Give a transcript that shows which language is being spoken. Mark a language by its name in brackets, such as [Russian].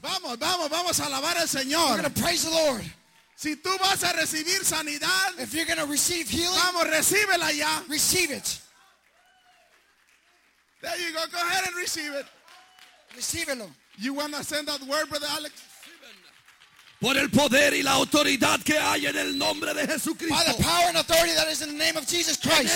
[Spanish] Vamos, vamos, vamos a alabar al Señor. [English] We're going to praise the Lord. [Spanish] Si tú vas a recibir sanidad, [English] if you're going to receive healing, [Spanish] vamos, recíbela ya. [English] Receive it. There you go. Go ahead and receive it. [Spanish] Recíbelo. [English] You want to send that word, Brother Alex? [Spanish] Por el poder y la autoridad que hay en el nombre de Jesucristo. [English] By the power and authority that is in the name of Jesus Christ.